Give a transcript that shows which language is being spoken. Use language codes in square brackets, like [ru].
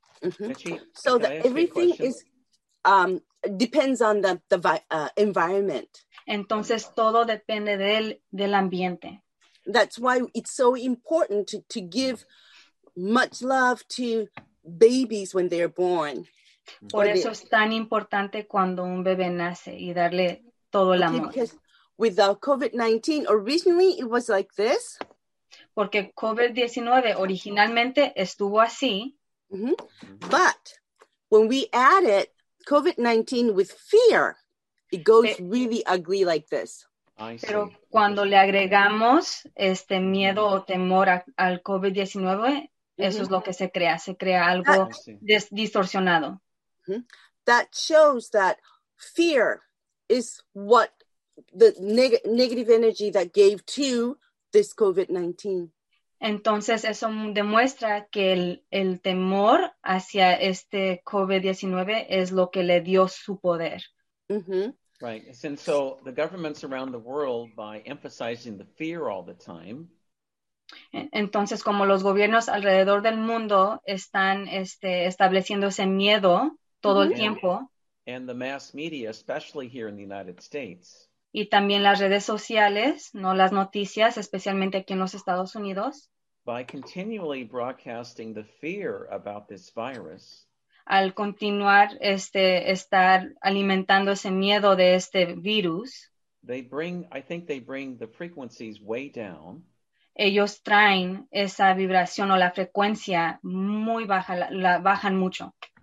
[en] Mm-hmm. So that everything is depends on the environment. [es] Entonces todo depende del ambiente. [en] That's why it's so important to give much love to babies when they're born. [es] Por eso es tan importante cuando un bebé nace y darle todo el amor. [en] Because with the COVID-19, originally it was like this. [es] Porque COVID-19 originalmente estuvo así. Mm-hmm. [en] But when we added COVID-19 with fear, it goes really ugly like this. [es] Pero cuando le agregamos este miedo o temor al COVID-19, mm-hmm. eso es lo que se crea algo distorsionado. [en] That shows that fear is what the negative energy that gave to this COVID-19. [es] Entonces eso demuestra que el temor hacia este COVID-19 es lo que le dio su poder. Mm-hmm. [en] Right. And so the governments around the world, by emphasizing the fear all the time. [es] Entonces, como los gobiernos alrededor del mundo están estableciendo ese miedo todo el tiempo. [en] And the mass media, especially here in the United States. [es] Y también las redes sociales, no las noticias, especialmente aquí en los Estados Unidos. [en] By continually broadcasting the fear about this virus. [es] Al continuar estar alimentando ese miedo de este virus, [en] I think they bring the frequencies way down. [es] Ellos traen esa vibración o la frecuencia muy baja, la bajan mucho.